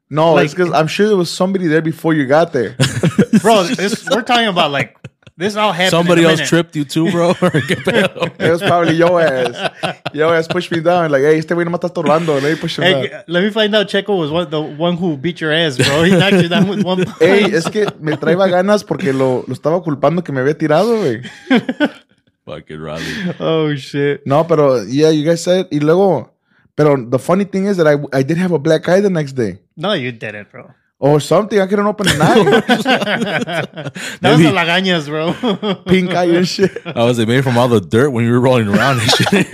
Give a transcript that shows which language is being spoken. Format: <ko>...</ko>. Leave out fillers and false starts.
<en>No, it's because I'm sure there was somebody there before you got there. Bro, we're talking about like this all happened. Somebody in a else minute. Tripped you too, bro. It was probably your ass. Your ass pushed me down.</en> <es>Like, hey, este güey no me está estorbando.</es> <en>Let me push him down. Let me find out. Checo was the one who beat your ass, bro. He knocked you down with one punch.</en> <es>Hey, es que me traía ganas porque lo estaba culpando que me había tirado, güey.</es> <en>Fucking Riley. Oh, shit.</en> <es>No, pero</es> <en>yeah, you guys said.</en> <es>Y luego.</es> <en>But the funny thing is that I did have a black eye the next day. No, you didn't, bro. Or something. I couldn't open an eye. That was the lagañas, bro. Pink eye and shit. I was made from all the dirt when you were rolling around and shit.</en>